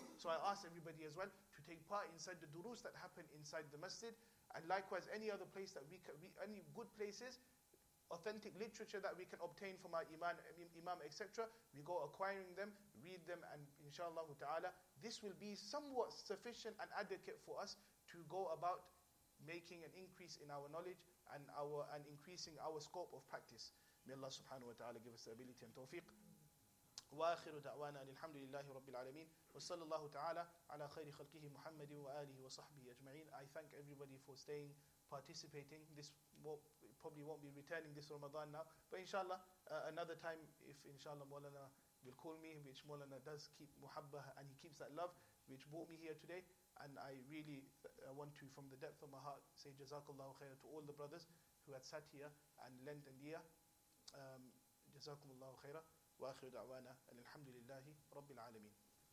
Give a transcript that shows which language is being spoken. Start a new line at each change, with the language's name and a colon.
English: So I ask everybody as well to take part inside the durus that happen inside the masjid, and likewise, any other place that any good places, authentic literature that we can obtain from our imam, etc., we go acquiring them, read them, and inshallah ta'ala, this will be somewhat sufficient and adequate for us to go about making an increase in our knowledge and increasing our scope of practice. May Allah subhanahu wa ta'ala give us the ability and tawfiq.
Arabic: وآخر دعوانا أن الحمد لله رب العالمين وصلى الله تعالى على خير خلقه محمد وآله وصحبه أجمعين.
English: I thank everybody for staying, participating. This probably won't be returning this Ramadan now, but inshallah another time, if inshallah Mawlana will call me, which Mawlana does keep muhabbah and he keeps that love which brought me here today, and I really want to, from the depth of my heart, say Jazakallahu khair to all the brothers who had sat here and lent an ear.
Arabic: Jazakumullahu khairah. وآخر دعوانا أن الحمد لله رب العالمين.